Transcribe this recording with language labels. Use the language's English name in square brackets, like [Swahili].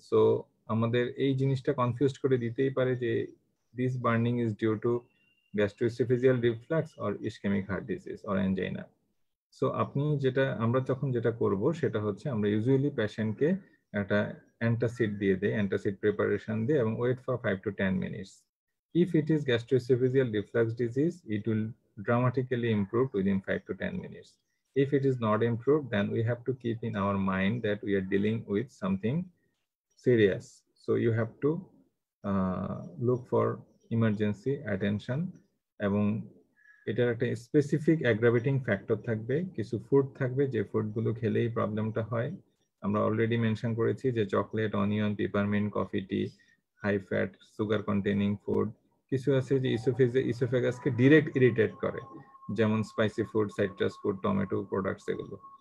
[Bangla] So আমাদের এই জিনিসটা কনফিউজ করে দিতেই পারে যে [English] This burning is due to gastroesophageal reflux or ischemic heart disease or angina. [Bangla] So আপনি যেটা, আমরা যখন যেটা করব সেটা হচ্ছে, আমরা ইউজুয়ালি পেশেন্টকে একটা অ্যান্টাসিড দিয়ে দেয়, অ্যান্টাসিড প্রিপারেশন দিয়ে, এবং [English] Wait for 5 to 10 minutes, If it is gastroesophageal reflux disease, it will dramatically improve within 5 to 10 minutes. If it is not improved, then we have to keep in our mind that we are dealing with something serious. So you have to look for emergency attention. [Bangla] এবং এটার একটা specific অ্যাগ্রাভেটিং factor থাকবে, কিছু food থাকবে যে ফুডগুলো খেলেই প্রবলেমটা হয়। আমরা অলরেডি মেনশন করেছি যে চকলেট, অনিয়ন, পিপারমিন্ট, কফি, টি, high fat, sugar containing food, কিছু আছে যে ইসোফেগাসকে ডিরেক্ট ইরিটেট করে, যেমন spicy food, citrus food, tomato products, এগুলো।